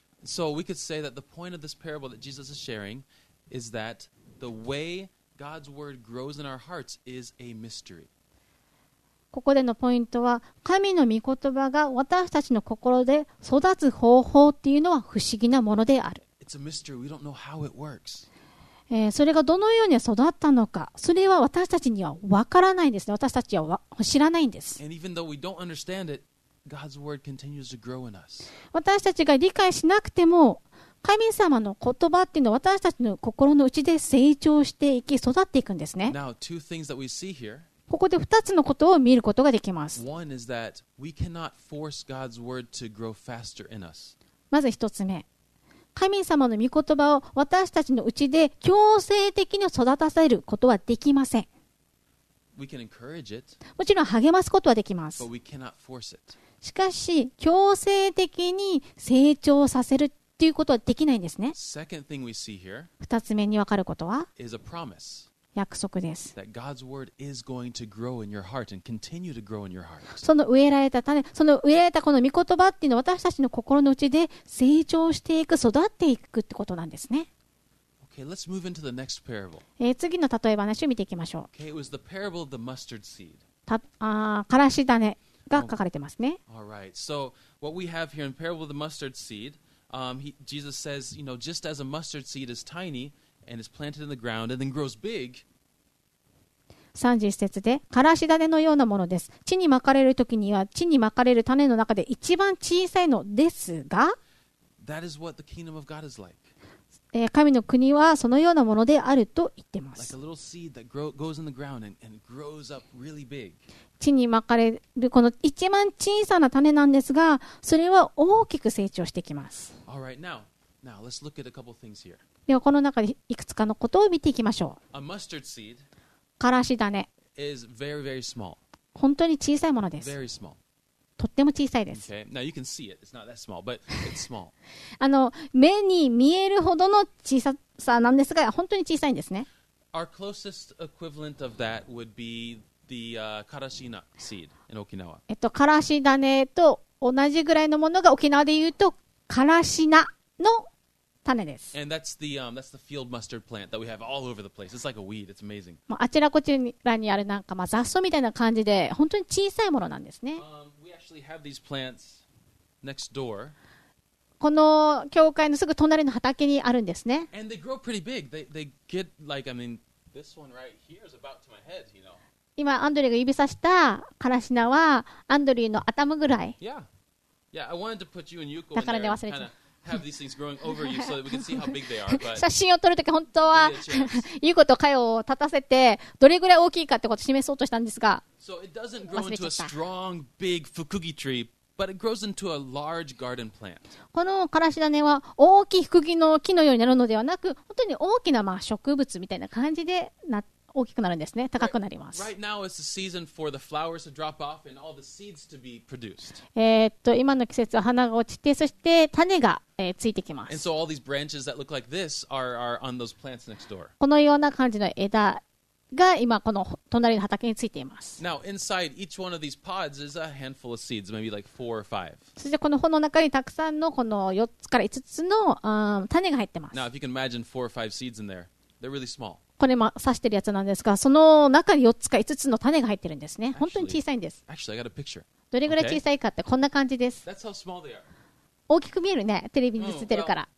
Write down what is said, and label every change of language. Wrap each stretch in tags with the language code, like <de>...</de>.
<en>So we could say that the point of this parable that Jesus is sharing is that the way God's word grows in our hearts is a mystery.</en> <ja>ここでのポイントは、神の御言葉が私たちの心で育つ方法っていうのは不思議なものである。</ja> <en>It's a mystery. We don't know how it works.</en> <ja>それがどのように育ったのか、それは私たちには分からないんですね。私たちは知らないんです。</ja> <en>And even though we don't understand it, God's word continues to grow in us.</en> <ja>私たちが理解しなくても、神様の言葉っていうのは私たちの心の内で成長していき、育っていくんですね。</ja> <en>Now, two things that we see here.</en> <ja>ここで2つのことを見ることができます。</ja> <en>One is that we cannot force God's word to grow faster in us.</en> <ja>まず1つ目。神様の御言葉を私たちのうちで強制的に育たせることはできません。</ja> <en>We can encourage it,</en> <ja>もちろん励ますことはできます。</ja> <en>But we cannot force it.</en> <ja>しかし、強制的に成長させるということはできないんですね。</ja> <en>Second thing we see here,</en> <ja>二つ目に分かることは、</ja> <en>is a promise.</en> <ja>約束です。</ja> <en>That God's word is going to grow in your heart and continue to grow in your heart.</en> <ja>その植えられた種、その植えられたこの御言葉っていうのは私たちの心の内で成長していく、育っていくってことなんですね。</ja> <en>Okay, let's move into the next parable.</en> <ja>次の例え話を見ていきましょう。</ja> <en>Okay, it was the parable of the mustard seed.</en> <ja>からし種が書かれてますね。</ja> <en>All right. So what we have here in parable of the mustard seed,Jesus says, you know, just as a mustard seed is tiny and is planted in the ground and then grows big.</en> <ja>三十節で、からし種のようなものです。地にまかれるときには、地にまかれる種の中で一番小さいのですが。</ja> <en>That is what the kingdom of God is like.</en> <ja>神の国はそのようなものであると言ってます。</ja> <en>Like a little seed that goes in the ground and grows up really big.</en> <ja>地にまかれるこの一番小さな種なんですが、それは大きく成長してきます。</ja> <en>All right, now let's look at a couple things here.</en> <ja>ではこの中でいくつかのことを見ていきましょう。</ja> <en>A mustard seed</en> <ja>からし種</ja> <en>is very, very small.</en> <ja>本当に小さいものです。</ja> <en>Very small.</en> <ja>とっても小さいです。</ja> <en>Okay. Now you can see it. It's not that small, but it's small.</en> <ja>目に見えるほどの小ささなんですが、本当に小さいんですね。</ja> <en>Our closest equivalent of that would be the karashina seed in Okinawa.</en> <ja>からし種と同じぐらいのものが沖縄で言うとからし菜の種です。</ja> <en>And that's the field mustard plant that we have all over the place. It's like a weed. It's amazing.</en> <ja>もうあちらこちらにあるなんか、まあ、雑草みたいな感じで本当に小さいものなんですね。</ja> <en>Have these plants next door.</en> <ja>この教会のすぐ隣の畑にあるんですね。</ja> <en>And they grow pretty big. They get like, I mean, this one right here is about to my head, you know.</en> <ja>今アンドリーが指さしたカラシナはアンドリーの頭ぐらい。</ja> <en>Yeah, I wanted to put you and Yuko.</en> <ja>だからね忘れちゃった。</ja> <en>Have these things growing over you so that we can see how big they are. But</en> <ja>写真を撮るとき本当はユコとカヨを立たせてどれぐらい大きいかってことを示そうとしたんですが、</ja> <en>so it doesn't grow into a strong, big fukugi tree, but it grows into a large garden plant.</en> <ja>このカラシダネは大きいフクギの木のようになるのではなく、本当に大きなまあ植物みたいな感じで大きくなるんですね。高くなります。</ja> <en>Right now is the season for the flowers to drop off and all the seeds to be produced.</en> <ja>今の季節は花が落ちて、そして種が、ついてきます。</ja> <en>And so all these branches that look like this are on those plants next door.</en> <ja>このような感じの枝が今この隣の畑についています。</ja> <en>Now inside each one of these pods is a handful of seeds, maybe like four or five.</en> <ja>そしてこの穂の中にたくさんのこの4つから5つの、種が入ってます。</ja> <en>Now if you can imagine four or five seeds in there, they're really small.</en> <ja>これも刺してるやつなんですが、その中に4つか5つの種が入ってるんですね。本当に小さいんです。</ja> <en>Actually, I got a picture.</en> <ja>どれぐらい小さいかってこんな感じです。</ja> <en>That's how small they are.</en> <ja>大きく見えるね、テレビに映ってるから。</ja>